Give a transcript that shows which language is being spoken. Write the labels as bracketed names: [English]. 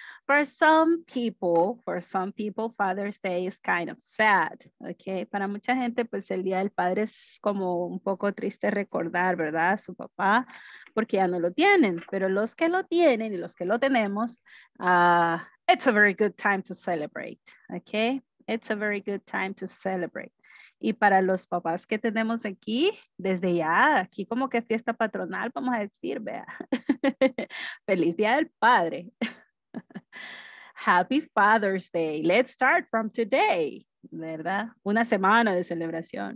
[English] For some people, Father's Day is kind of sad. [Spanish] Okay, para mucha gente, pues el Día del Padre es como un poco triste recordar, ¿verdad? Su papá, porque ya no lo tienen. Pero los que lo tienen y los que lo tenemos, [English] it's a very good time to celebrate. Okay, it's a very good time to celebrate. [Spanish] Y para los papás que tenemos aquí, desde ya, aquí como que fiesta patronal, vamos a decir, vea. Feliz Día del Padre. [English] Happy Father's Day. Let's start from today, [Spanish] ¿verdad? Una semana de celebración.